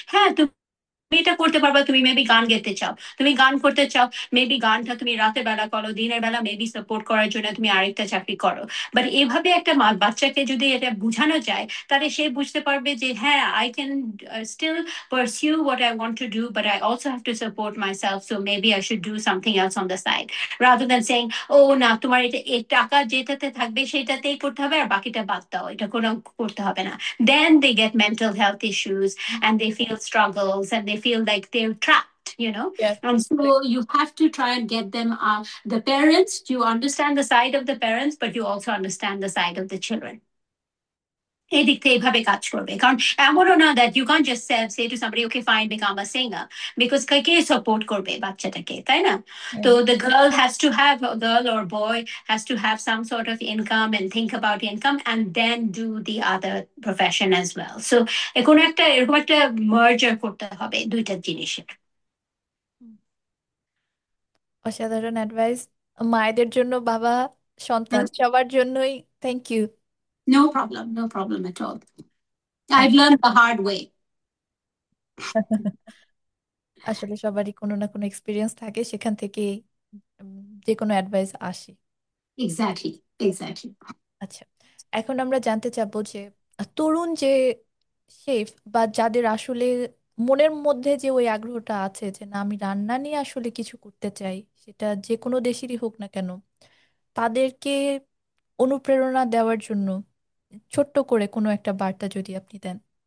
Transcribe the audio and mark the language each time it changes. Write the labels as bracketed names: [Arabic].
[Bangla] হ্যাঁ, তুমি এটা করতে পারবা, তুমি মেবি গান গাইতে চাও, তুমি গান করতে চাও, মেবি গানটা তুমি রাতের বেলা করো, দিনের বেলা মেবি সাপোর্ট করার জন্য তুমি আরেকটা চাকরি করো, বাট এভাবে একটা বাচ্চাকে যদি এটা বোঝানো যায় তাহলে সে বুঝতে পারবে যে হ্যাঁ, [English] I can still pursue what I want to do, but I also have to support myself, so maybe I should do something else on the side, [Bangla] rather than saying ও না তোমার এটা এই টাকা যেটাতে থাকবে সেটাতেই করতে হবে আর বাকিটা বাদ দাও, এটা কোনো করতে হবে না। [English] Then they get mental health issues and they feel struggles and they feel like they're trapped, you know, and so you have to try and get them the parents, you understand the side of the parents, but you also understand the side of the children. [Bangla] এদিকে এইভাবে কাজ করবে, কারণ এমনও না [English] that you can just self say to somebody okay fine become a singer, because [Bangla] K support করবে বাচ্চাটাকে, তাই না? [English] তো the girl has to have, girl or boy has to have some sort of income and think about income and then do the other profession as well. [Bangla] So এখন একটা এরকম একটা মার্জার করতে হবে দুইটা জিনিসের। অসাধারণ অ্যাডভাইস মায়েদের জন্য, বাবা সন্তান সবার জন্যই। [English] Thank you. No problem, no problem at all. I've learned the hard way. [Bangla] আসলে সবারই কোনো না কোনো এক্সপিরিয়েন্স থাকে, সেখান থেকে যে কোনো অ্যাডভাইস আসে। [English] Exactly, exactly. [Bangla] আচ্ছা, এখন আমরা জানতে চাবো যে তরুণ যে শেফ বা যাদের আসলে মনের মধ্যে যে ওই আগ্রহটা আছে যে না আমি রান্না নিয়ে আসলে কিছু করতে চাই, সেটা যে কোনো দেশেরই হোক না কেন, তাদেরকে অনুপ্রেরণা দেওয়ার জন্য ছোট্ট করে কোনো একটা বার্তা যদি আপনি দেন।